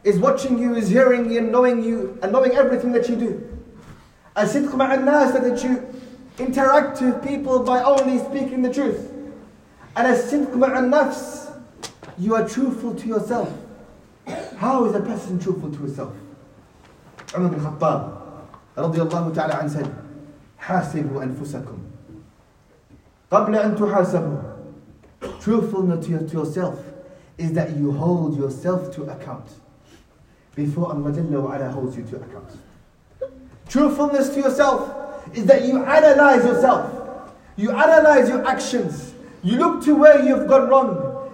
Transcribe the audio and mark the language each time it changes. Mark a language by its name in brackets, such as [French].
[English] is watching you, is hearing you, and knowing you, and knowing everything that you do. As-sidq ma'an nas, that you interact with people by only speaking the truth. And as-sidq ma'an nafs, you are truthful to yourself. How is a person truthful to himself? Umar bin Khattab radiyallahu ta'ala an said, [Arabic] حاسبوا أنفسكم قبل أن تحاسبوا. [English] Truthfulness to yourself is that you hold yourself to account before Allah Jalla wa Ala holds you to account. Truthfulness to yourself is that you analyze yourself. You analyze your actions. You look to where you've gone wrong.